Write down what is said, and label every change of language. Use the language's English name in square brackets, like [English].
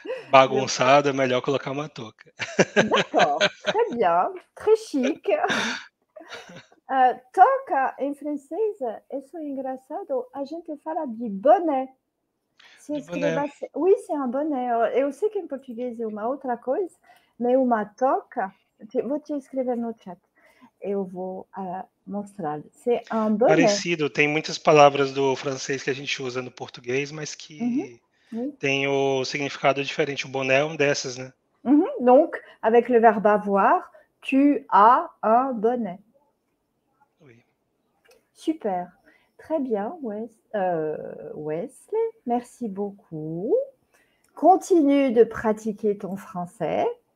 [Portuguese] Bagunçada, melhor colocar uma touca. [French] D'accord, très bien, très chic. [Portuguese] Touca, em francês, é só engraçado, a gente fala de bonnet. [French] Oui, c'est un bonnet. [Portuguese] Eu sei que em português é uma outra coisa, mas uma touca, vou te escrever no chat, eu vou mostrar. [French] C'est un bonnet. [Portuguese] Parecido, tem muitas palavras do francês que a gente usa no português, mas que... Uh-huh. Tem o significado diferente, o boné é um dessas, né? Uhum. [French] Donc, avec le verbe avoir, tu as un bonnet. Oui. Super. Très bien, Wesley. Merci beaucoup. Continue de pratiquer ton français.